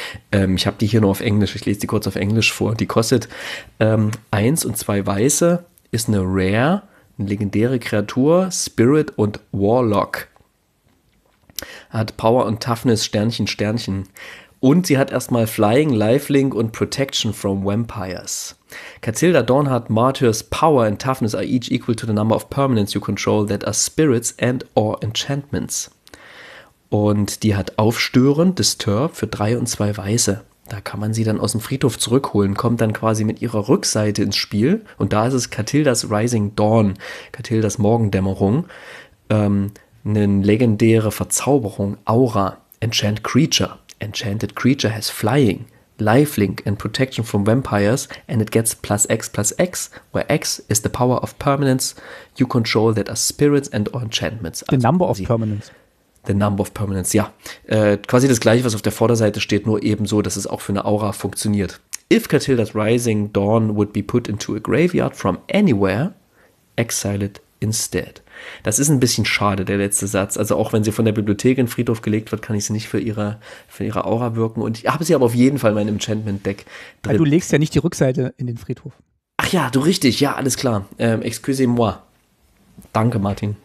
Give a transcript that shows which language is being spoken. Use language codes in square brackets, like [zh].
[de] Ich habe die hier nur auf Englisch, ich lese die kurz auf Englisch vor. Die kostet 1 und 2 weiße, ist eine Rare, eine legendäre Kreatur, Spirit und Warlock. Hat Power und Toughness, Sternchen, Sternchen. Und sie hat erstmal Flying, Lifelink und Protection from Vampires. [en] Katilda Dornhardt Martyrs Power and Toughness are each equal to the number of permanents you control that are spirits and or enchantments. [de] Und die hat Aufstören, Disturb für 3 und 2 weiße. Da kann man sie dann aus dem Friedhof zurückholen, kommt dann quasi mit ihrer Rückseite ins Spiel. Und da ist es Katildas Rising Dawn, Katildas Morgendämmerung, eine legendäre Verzauberung, Aura, Enchant Creature. [en] Enchanted Creature has Flying, Lifelink and Protection from Vampires and it gets +X/+X, where X is the power of permanents you control that are spirits and or enchantments. The number of permanents. The number of permanents, ja. [de] Quasi das gleiche, was auf der Vorderseite steht, nur eben so, dass es auch für eine Aura funktioniert. [en] If Katilda's Rising Dawn would be put into a graveyard from anywhere, exile it instead. [de] Das ist ein bisschen schade, der letzte Satz. Also auch wenn sie von der Bibliothek in den Friedhof gelegt wird, kann ich sie nicht für ihre Aura wirken. Und ich habe sie aber auf jeden Fall in meinem Enchantment-Deck drin. Weil du legst ja nicht die Rückseite in den Friedhof. Ach ja, du richtig. Ja, alles klar. [fr] Excusez-moi. [de] Danke, Martin.